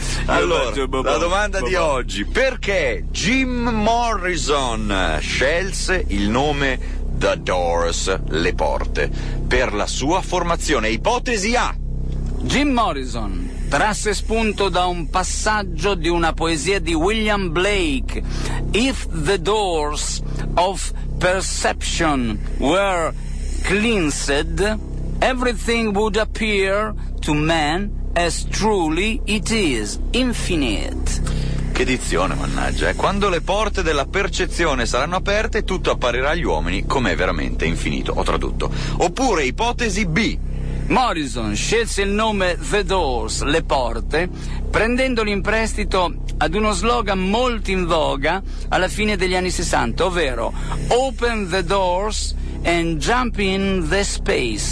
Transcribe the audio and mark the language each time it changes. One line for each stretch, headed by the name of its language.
Italian: Allora, la domanda di oggi. Perché Jim Morrison scelse il nome The Doors, le porte, per la sua formazione? Ipotesi A. Jim Morrison trasse spunto da un passaggio di una poesia di William Blake.
English: If the doors of perception were cleansed, everything would appear to man as truly it is, infinite.
Italian: Che dizione, mannaggia. Quando le porte della percezione saranno aperte, tutto apparirà agli uomini come è veramente infinito. Ho tradotto. Oppure ipotesi B. Morrison scelse il nome The Doors, le porte, prendendolo in prestito ad uno slogan molto in voga alla fine degli anni 60, ovvero
English: Open the doors and jump in the space.